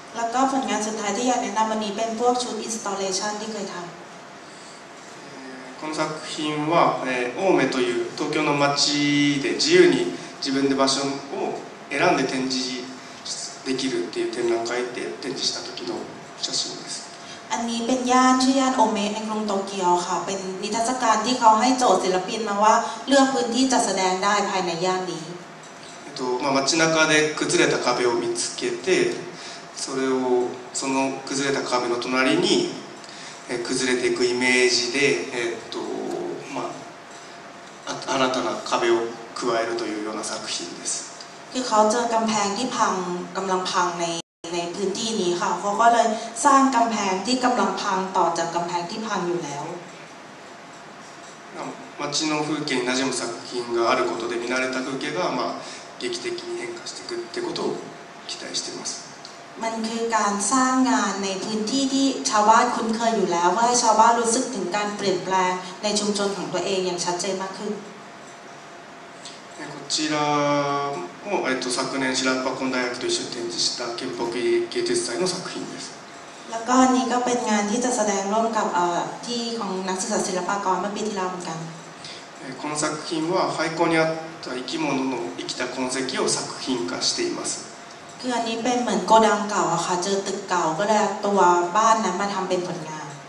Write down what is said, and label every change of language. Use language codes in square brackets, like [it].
[ja] あ、これは作品初めてですか？当初、始めて、始めたシリーズ。この作品は青梅という東京の町で自由に自分で場所を選んで展示できるっていう展覧会で展示した時の写真です。 [th] อันนี้เป็นย่านชื่อย่านโอเมะในกรุงโตเกียวค่ะเป็นนิทรรศการที่เขาให้โจทย์ศิลปินมาว่าเลือกพื้นที่จะแสดงได้ภายในย่านนี้ [ja] まあ街中で崩れた壁を見つけてそれをその崩れた壁の隣に崩れていくイメージでまあ新たな壁を加えるというような作品です [th] คือเขาเจอกำแพงที่พังกำลังพังในพื้นที่นี้ค่ะเขาก็เลยสร้างกำแพงที่กำลังพังต่อจากกำแพงที่พังอยู่แล้ว [ja] 街の風景に馴染む作品があることで見慣れた風景がまあ劇的に変化していくってことを期待しています [th] มันคือการสร้างงานในพื้นที่ที่ชาวบ้านคุ้นเคยอยู่แล้วเพื่อให้ชาวบ้านรู้สึกถึงการเปลี่ยนแปลงในชุมชนของตัวเองอย่างชัดเจนมากขึ้น [ja] こちらも昨年白樺根大学と一緒に展示した県北芸術祭の作品です。 [th] แล้วก็นี่ก็เป็นงานที่จะแสดงร่วมกับที่ของนักศึกษาศิลปากรเมื่อปีที่แล้วเหมือนกัน [ja] この作品は廃校にあった生き物の生きた痕跡を作品化しています。 [th] คืออันนี้เป็นเหมือนโกดังเก่าอะค่ะเจอตึกเก่าก็เลยตัวบ้านนั้นมาทำเป็นผลงาน